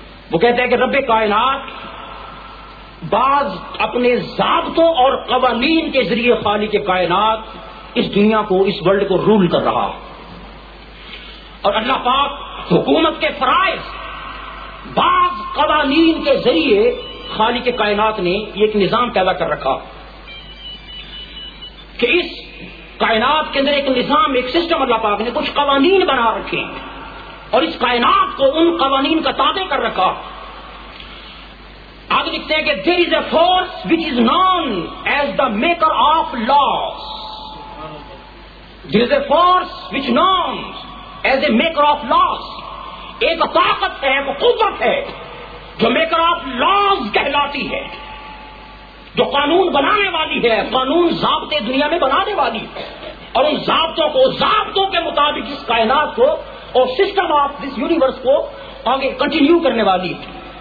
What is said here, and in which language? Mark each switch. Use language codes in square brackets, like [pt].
[ur] وہ کہتا ہے کہ رب کائنات بعض اپنے ضابطوں اور قوانین کے ذریعے خالق کائنات اس دنیا کو, اس ورلڈ کو رول کر رہا, اور اللہ پاک حکومت کے فرائض بعض قوانین کے ذریعے خالق کائنات نے ایک نظام پیدا کر رکھا کہ اس کائنات کے اندر ایک نظام, ایک سسٹم اللہ پاک نے کچھ قوانین بنا رکھے, اور اس کائنات کو ان قوانین کا تابع کر رکھا. آگے لکھتے ہیں کہ [en] There is a force which is known as the maker of loss, there is a force which known as a maker of loss. [ur] ایک طاقت ہے, ایک قوت ہے جو میکر آف لاس کہلاتی ہے, جو قانون بنانے والی ہے, قانون ضابطے دنیا میں بنانے والی ہے, اور ان ضابطوں کو, ضابطوں کے مطابق اس کائنات کو اور سسٹم آف دس یونیورس کو آگے کنٹینیو کرنے والی ہے.